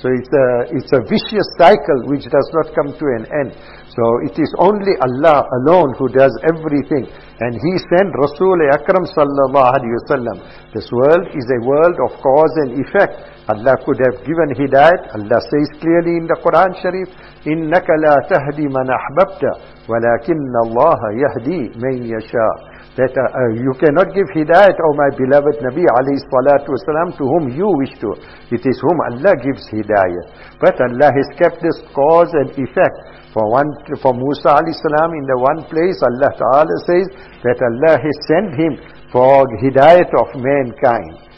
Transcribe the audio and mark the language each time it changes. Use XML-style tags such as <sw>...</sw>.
<en>So it's a vicious cycle which does not come to an end. So it is only Allah alone who does everything. And He sent Rasul Akram sallallahu alayhi wasallam. This world is a world of cause and effect. Allah could have given hidayat. Allah says clearly in the Quran Sharif,</en> <ar>إِنَّكَ لَا تَهْدِي مَنْ أَحْبَبْتَ وَلَكِنَّ اللَّهَ يَهْدِي مَنْ يَشَاءُ.</ar> <en>That you cannot give hidayat, O my beloved Nabi alayhi salatu wasalam, to whom you wish to. It is whom Allah gives hidayat. But Allah has kept this cause and effect. For Musa alayhi salam, in the one place Allah Ta'ala says that Allah has sent him for hidayat of mankind.</en>